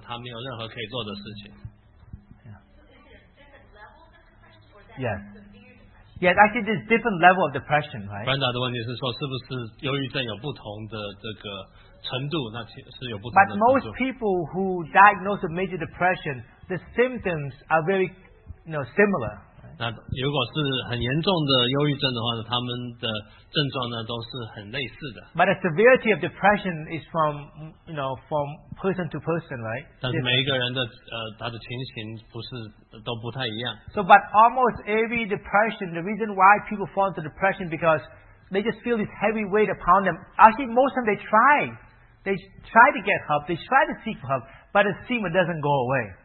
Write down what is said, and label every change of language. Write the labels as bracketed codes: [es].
[zh] 那他就好像身上有很多的重担压在身上呢，他没有任何可以做的事情。 [en] Yes. Yes, actually, there's different level of depression, right? [zh] Brenda的问题是说，是不是忧郁症有不同的这个程度？那其实是有不同的。 [en] But most people who diagnose with major depression, the symptoms are very, you know, similar. [zh] 那如果是很严重的忧郁症的话呢，他们的症状呢都是很类似的。 [en] But the severity of depression is from, you know, from person to person, right? [zh] 但是每一个人的他的情形不是都不太一样。 [en] So, but almost every depression, the reason why people fall into depression because they just feel this heavy weight upon them. Actually, most of them they try to get help, they try to seek help, but it seems it doesn't go away.